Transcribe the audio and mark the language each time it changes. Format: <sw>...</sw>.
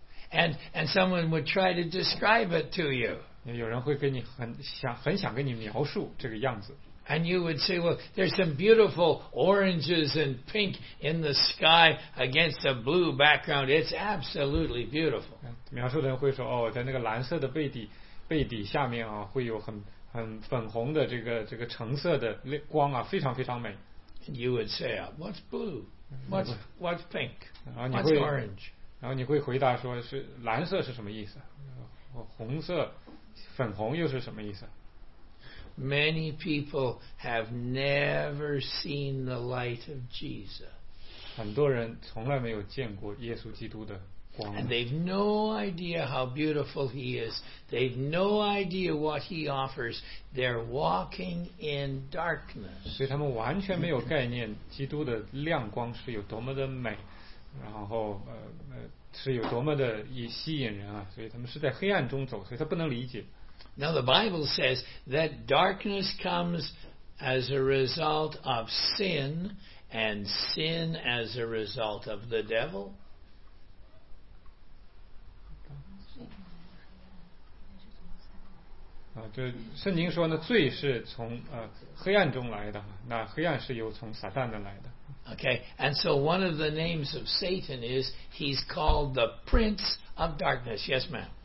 <en>And someone would try to describe it to you.</en> <zh>有人会跟你很想跟你描述这个样子。</zh> <en>And you would say, "Well, there's some beautiful oranges and pink in the sky against a blue background. It's absolutely beautiful."</en> <zh>描述的人会说，哦，在那个蓝色的背底下面啊，会有很粉红的这个橙色的光啊，非常非常美。</zh> <en>And you would say, "What's blue? What's pink? What's orange?"</en> <zh>然后你会回答说是蓝色是什么意思？红色、粉红又是什么意思</zh> <en>？Many people have never seen the light of Jesus.</en> <zh>很多人从来没有见过耶稣基督的光。</zh> <en>And they've no idea how beautiful He is. They've no idea what He offers. They're walking in darkness.</en> <zh>所以他们完全没有概念基督的亮光是有多么的美。然后是有多么的也吸引人啊，所以他们是在黑暗中走，所以他不能理解。</zh> <en>Now the Bible says that darkness comes as a result of sin, and sin as a result of the devil.</en> <zh>就圣经说呢，罪是从黑暗中来的，那黑暗是由从撒旦的来的。</zh> <en>Okay, and so one of the names of Satan is he's called the Prince of Darkness. Yes, ma'am.</en>